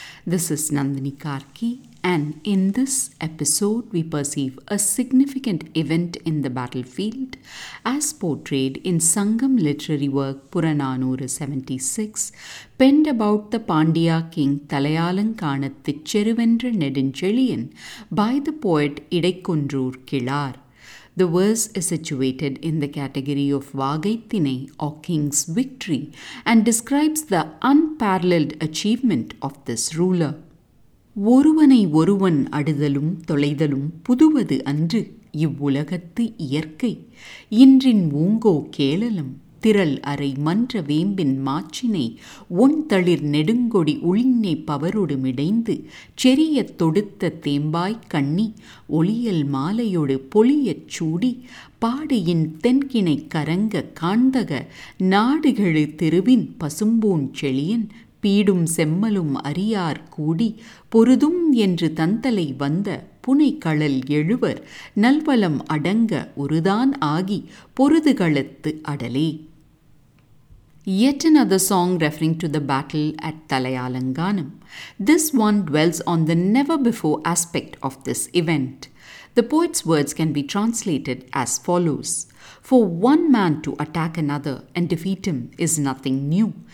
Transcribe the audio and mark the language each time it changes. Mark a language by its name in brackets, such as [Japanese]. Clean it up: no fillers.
[English] This is Nandini Karki, and in this episode we perceive a significant event in the battlefield as portrayed in Sangam literary work Purananura 76, penned about the Pandya king Thalayalankanathu Cheruvendra Nedunchezhian by the poet Idaikkonroor Kizhar. The verse is situated in the category of Vagaithinai or King's Victory and describes the unparalleled achievement of this ruler. [Tamil] ஒருவனை ஒருவன் அடுதலும் தொலைதலும் புதுவது அன்று இவ்வுலகத்து இயற்கை இன்றின் ஊங்கோ கேளலும் திரள் அறை மன்ற வேம்பின் மாச்சினை one தளிர் நெடுங்கொடி உளிநே பவரோடு மிடைந்து செரிய தொடுத்த தேம்பாய்க் கண்ணி ஒளியல் மாலையோடு பொலியச் சூடி பாடியின் தென்கிணைக் கரங்க காண்தக நாடுகளு திருவின் பசும்பூன் செழியன் பீடும் செம்மலும் அரியார் கூடி பொருதும் என்று தந்தலை வந்த புனைக்களல் எழுவர் நல்வலம் அடங்க உருதான் ஆகி பொருதுகளத்து அடலே. [English] Yet another song referring to the battle at Thalayalankanam. This one dwells on the never-before aspect of this event. The poet's words can be translated as follows. For one man to attack another and defeat him is nothing new.